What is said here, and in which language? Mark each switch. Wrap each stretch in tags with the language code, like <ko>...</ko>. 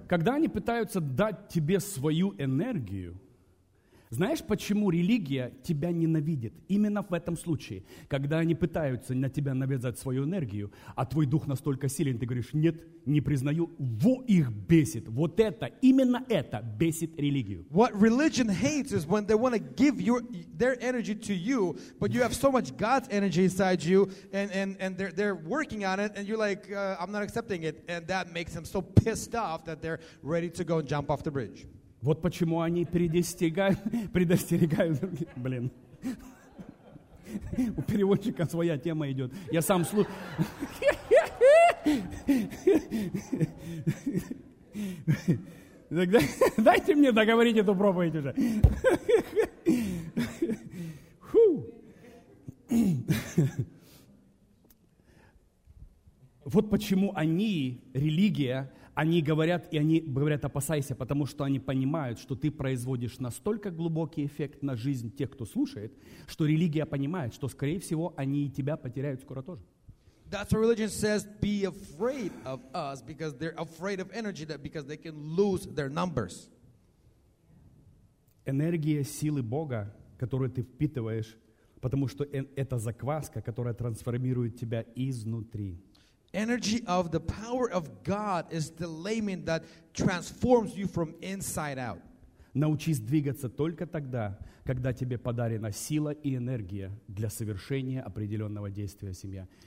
<ru>Когда они пытаются дать тебе свою энергию, знаешь, почему религия тебя ненавидит? Именно в этом случае, когда они пытаются на тебя навязать свою энергию, а твой дух настолько силен, ты говоришь, нет, не признаю, во их бесит. Вот это, именно это бесит религию.</ru> <en>What religion hates is when they want to give their energy to you, but you have so much God's energy inside you, and they're working on it, and you're like, I'm not accepting it, and that makes them so pissed off that they're ready to go and jump off the bridge.</en> <ru>Вот почему они предостерегают других. Блин. У переводчика своя тема идет. Я сам слушаю. Дайте мне договорить эту проповедь уже. Вот почему они, религия, они говорят, и они говорят, опасайся, потому что они понимают, что ты производишь настолько глубокий эффект на жизнь тех, кто слушает, что религия понимает, что, скорее всего, они и тебя потеряют скоро тоже.</ru> <en>That's what religion says, be afraid of us because they're afraid of energy, that because they can lose their numbers.</en> <ru>Энергия силы Бога, которую ты впитываешь, потому что это закваска, которая трансформирует тебя изнутри.</ru> <en>Energy of the power of God is the layman that transforms you from inside out.</en> <ru>Научись двигаться только тогда, когда тебе подарена сила и энергия для совершения определенного действия, семья.</ru>